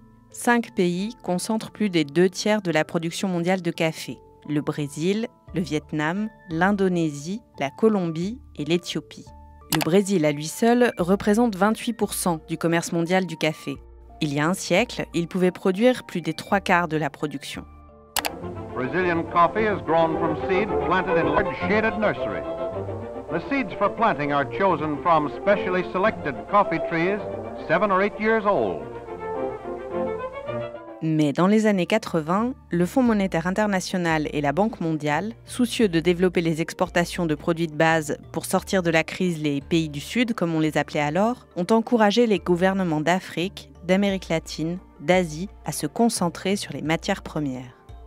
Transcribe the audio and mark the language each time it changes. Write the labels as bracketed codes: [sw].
[fr] Cinq pays concentrent plus des deux tiers de la production mondiale de café, le Brésil, le Vietnam, l'Indonésie, la Colombie et l'Éthiopie. Le Brésil à lui seul représente 28% du commerce mondial du café. Il y a un siècle, il pouvait produire plus des trois quarts de la production. [en] Brazilian coffee is grown from seeds planted in large shaded nurseries. The seeds for planting are chosen from specially selected coffee trees, 7 or 8 years old. [fr] Mais dans les années 80, le Fonds monétaire international et la Banque mondiale, soucieux de développer les exportations de produits de base pour sortir de la crise les pays du Sud, comme on les appelait alors, ont encouragé les gouvernements d'Afrique, d'Amérique latine, d'Asie, à se concentrer sur les matières premières.